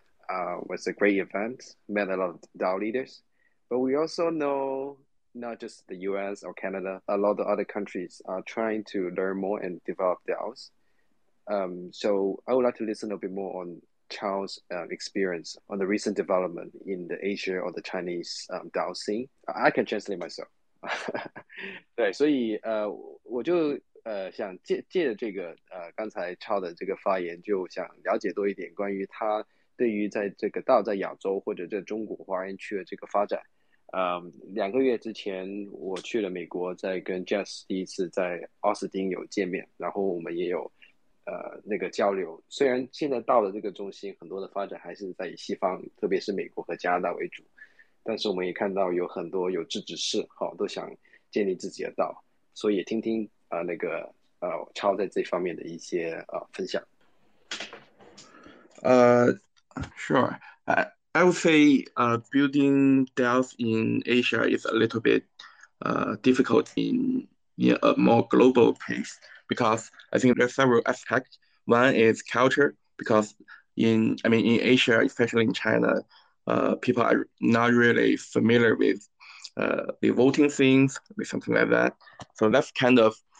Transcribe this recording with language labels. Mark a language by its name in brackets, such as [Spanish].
[English] It was a great event, met a lot of DAO leaders. But we also know not just the US or Canada, a lot of other countries are trying to learn more and develop DAOs. So I would like to listen a bit more on Chao's experience on the recent development in the Asia or the Chinese DAO scene. I can translate myself. [Chinese] 对，所以我就想借着这个刚才超的这个发言，就想了解多一点关于他对于在这个道在亚洲或者在中国华人区的这个发展。两个月之前我去了美国，在跟 Jess 第一次在奥斯汀有见面，然后我们也有那个交流。虽然现在道的这个中心很多的发展还是在西方，特别是美国和加拿大为主，但是我们也看到有很多有志之士都想建立自己的道，所以听听。超在这方面的一些分享。 [English] Sure. I would say building DAOs in Asia is a little bit difficult in a more global pace because I think there are several aspects. One is culture, because in Asia, especially in China, people are not really familiar with the voting things, with something like that. So that's kind of.